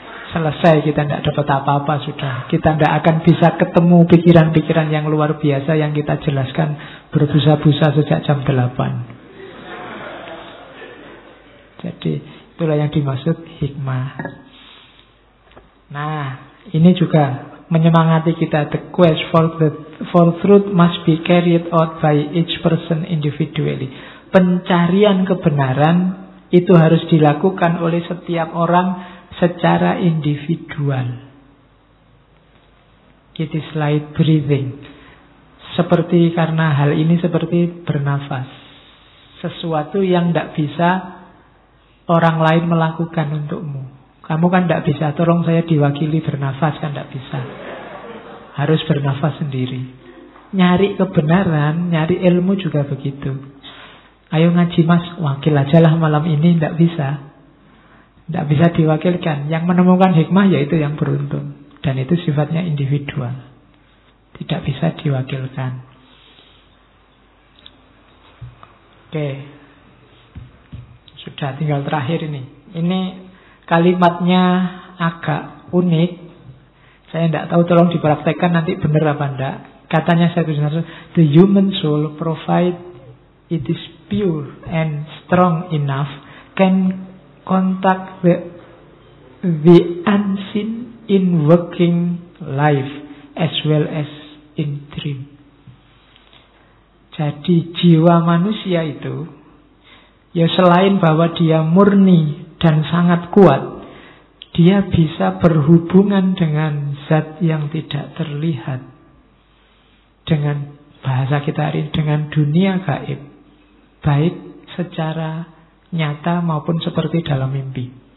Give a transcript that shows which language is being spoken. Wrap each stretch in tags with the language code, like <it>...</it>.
<id>Selesai, kita tidak dapat apa-apa sudah. Kita tidak akan bisa ketemu pikiran-pikiran yang luar biasa yang kita jelaskan berbusa-busa sejak jam 8. Jadi itulah yang dimaksud hikmah. Nah, ini juga menyemangati kita,</id> <en>the quest for truth must be carried out by each person individually.</en> <id>Pencarian kebenaran itu harus dilakukan oleh setiap orang secara individual.</id> <en>It is like breathing.</en> <id>Seperti karena hal ini seperti bernafas. Sesuatu yang tidak bisa orang lain melakukan untukmu. Kamu kan tidak bisa, tolong saya diwakili bernafas, kan tidak bisa. Harus bernafas sendiri. Nyari kebenaran, nyari ilmu juga begitu. Ayo ngaji mas, wakil ajalah malam ini, tidak bisa. Tidak bisa diwakilkan. Yang menemukan hikmah yaitu yang beruntung. Dan itu sifatnya individual. Tidak bisa diwakilkan. Oke. Sudah tinggal terakhir ini. Ini kalimatnya agak unik. Saya tidak tahu, tolong dipraktekkan nanti benar apa enggak. Katanya saya,</id> <en>the human soul, provide it is pure and strong enough, can contact the unseen in working life as well as in dream.</en> <id>Jadi jiwa manusia itu, ya selain bahwa dia murni dan sangat kuat, dia bisa berhubungan dengan zat yang tidak terlihat. Dengan bahasa kita hari ini, dengan dunia gaib. Baik secara nyata maupun seperti dalam mimpi.</id>